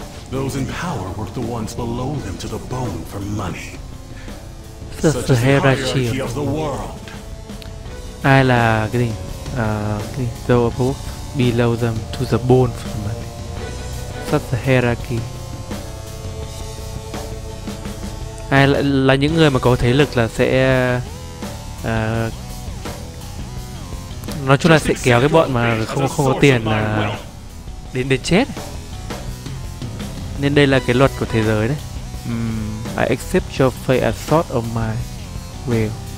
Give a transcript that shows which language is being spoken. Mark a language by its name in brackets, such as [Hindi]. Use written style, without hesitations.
[English] Those in power work the ones below them to the bone for money. Such is the hierarchy of the world. [Vietnamese] Ai là cái gì? [English] Those above, below them to the bone for money. Such the hierarchy. [Vietnamese] Ai là những người mà có thế lực là sẽ nói chung là sẽ kéo cái bọn mà không có tiền là đến chết. Nên đây là cái luật của thế giới đấy. [English] I accept your fate as sort of my will.